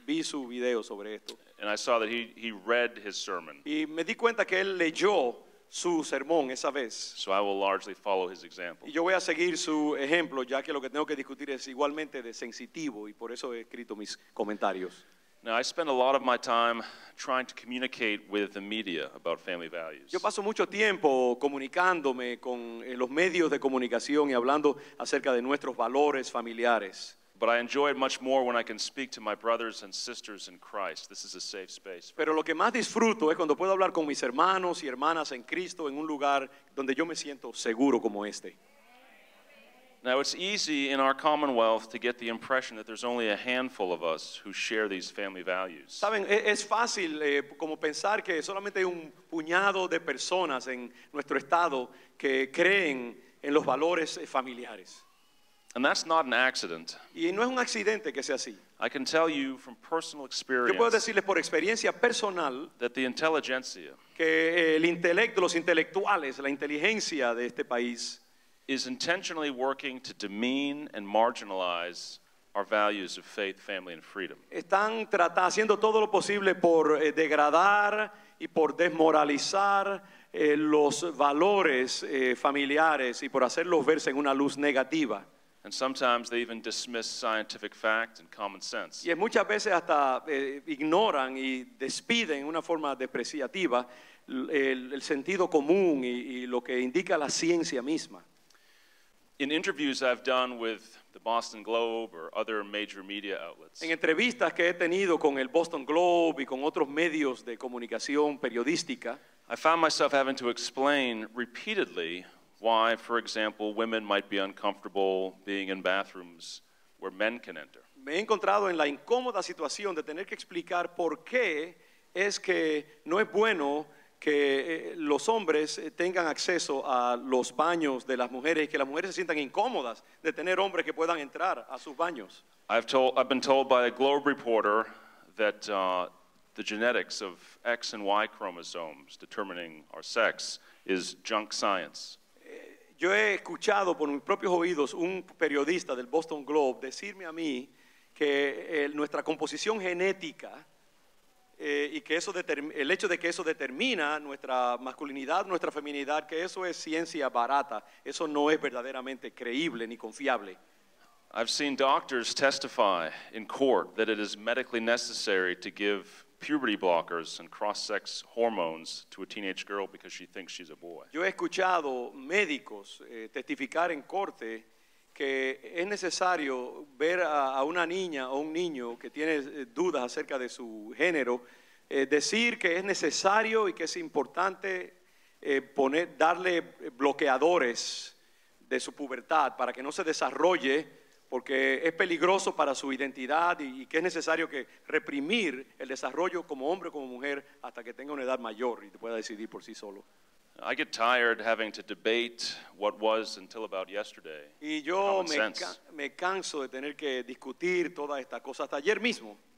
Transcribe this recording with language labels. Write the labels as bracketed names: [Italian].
[Spanish] Vi su video sobre esto. [English] And I saw that he read his sermon. [Spanish] Y me di cuenta que él leyó su sermón esa vez. [English] So I will largely follow his example. [Spanish] Y yo voy a seguir su ejemplo, ya que lo que tengo que discutir es igualmente de sensitivo, y por eso he escrito mis comentarios. [English] Now I spend a lot of my time trying to communicate with the media about family values. [Spanish] Yo paso mucho tiempo comunicándome con los medios de comunicación y hablando acerca de nuestros valores familiares. [English] But I enjoy it much more when I can speak to my brothers and sisters in Christ. This is a safe space. [Spanish] Pero lo que más disfruto es cuando puedo hablar con mis hermanos y hermanas en Cristo en un lugar donde yo me siento seguro como este. [English] Now it's easy in our commonwealth to get the impression that there's only a handful of us who share these family values. [Spanish] Saben, es fácil como pensar que solamente hay un puñado de personas en nuestro estado que creen en los valores familiares. [English] And that's not an accident. [Spanish] Y no es un accidente que sea así. [English] I can tell you from personal experience. [Spanish] Yo puedo decirles por experiencia personal [English] that the intelligentsia, [Spanish] que el intelecto, los intelectuales, la inteligencia de este país [English] is intentionally working to demean and marginalize our values of faith, family, and freedom. [Spanish] Están haciendo todo lo posible por degradar y por desmoralizar los valores familiares y por hacerlos verse en una luz negativa. [English] And sometimes they even dismiss scientific fact and common sense. [Spanish] Y muchas veces hasta ignoran y despiden una forma despreciativa el sentido común y lo que indica la ciencia misma. [English] In interviews I've done with the Boston Globe or other major media outlets. [Spanish] En entrevistas que he tenido con el Boston Globe y con otros medios de comunicación periodística, [English] I found myself having to explain repeatedly why, for example, women might be uncomfortable being in bathrooms where men can enter. [Spanish] Me he encontrado en la incómoda situación de tener que explicar por qué es que no es bueno que los hombres tengan acceso a los baños de las mujeres y que las mujeres se sientan incómodas de tener hombres que puedan entrar a sus baños. [English] I've been told by a Globe reporter that the genetics of X and Y chromosomes determining our sex is junk science. [Spanish] Yo he escuchado por mis propios oídos un periodista del Boston Globe decirme a mí que nuestra composición genética y que eso el hecho de que eso determina nuestra masculinidad, nuestra feminidad, que eso es ciencia barata, eso no es verdaderamente creíble ni confiable. [English] I've seen doctors testify in court that it is medically necessary to give puberty blockers and cross-sex hormones to a teenage girl because she thinks she's a boy. [Spanish] Yo he escuchado médicos testificar en corte que es necesario ver a una niña o un niño que tiene dudas acerca de su género, decir que es necesario y que es importante darle bloqueadores de su pubertad para que no se desarrolle, porque es peligroso para su identidad y que es necesario que reprimir el desarrollo como hombre o como mujer hasta que tenga una edad mayor y pueda decidir por sí solo. [English] I get tired having to debate what was until about yesterday. [Spanish] Y yo me canso de tener que discutir toda esta cosa hasta ayer mismo.